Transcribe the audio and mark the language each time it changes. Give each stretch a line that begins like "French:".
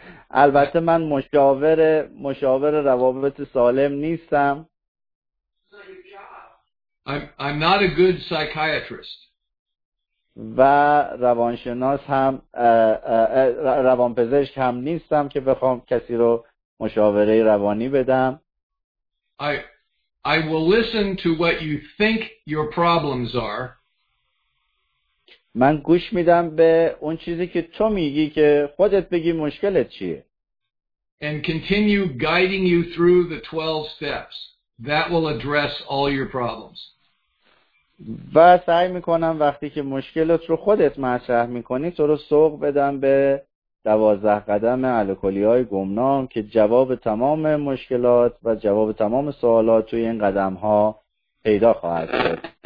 Persian: البته من مشاور روابط سالم نیستم.
English: I'm not a good psychiatrist.
Persian: و روانشناس هم روانپزشک هم نیستم که بخوام کسی رو مشاوره روانی بدم.
English: I will listen to what you think your problems are.
Persian: من گوش میدم به اون چیزی که تو میگی که خودت بگی مشکلت چیه.
English: And continue guiding you through the 12 steps. That will address all your problems.
Persian: و سعی میکنم وقتی که مشکلت رو خودت مطرح میکنی تو رو سوق بدم به 12 قدم الکلی های گمنام که جواب تمام مشکلات و جواب تمام سوالات توی این قدم ها پیدا خواهد شد.